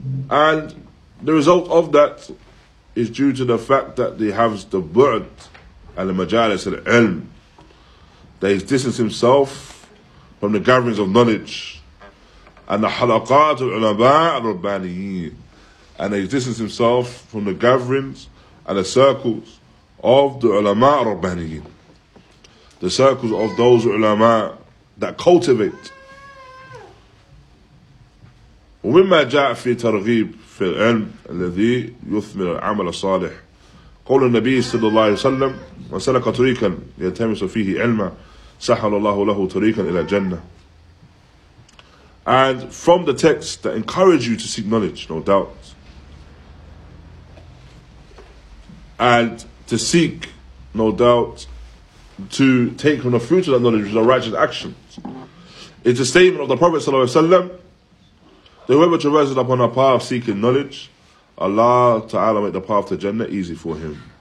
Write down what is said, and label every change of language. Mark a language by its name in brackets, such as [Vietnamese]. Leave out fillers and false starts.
[English] And the result of that is due to the fact that he has the bu'd and the majalis al-ilm, that he's distanced himself from the gatherings of knowledge, and the halaqat al-ulama al-rabbaniyin, and he's distanced himself from the gatherings and the circles of the ulama rabbaniyin, the circles of those ulama that cultivate. [Arabic] ومما جاء في ترغيب في العلم الذي يثمر العمل الصالح قول النبي صلى الله عليه وسلم من سلك طريقا يلتمس فيه علما سهل الله له طريقا الى الجنه. [English] And from the text that encourage you to seek knowledge, no doubt, and to seek, no doubt, to take from the fruit of that knowledge, which is a righteous action. It's a statement of the Prophet sallallahu alaihi wasallam, that whoever traverses upon a path seeking knowledge, Allah Ta'ala make the path to Jannah easy for him.